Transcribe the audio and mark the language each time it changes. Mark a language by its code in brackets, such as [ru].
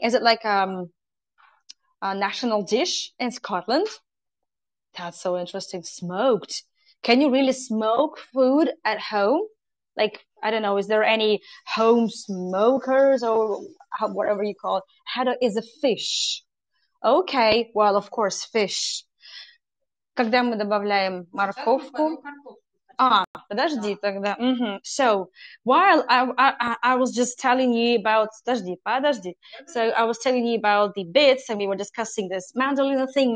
[en] Is it like a national dish in Scotland? That's so interesting. Smoked. Can you really smoke food at home? Like, I don't know, is there any home smokers or whatever you call it? Haddock is a fish. Okay, well, of course, fish. [ru] Когда мы добавляем морковку? А, подожди тогда. Mm-hmm. [en] So, while I was just telling you about... [ru] Подожди. [en] So, I was telling you about the bits and we were discussing this mandolin thing.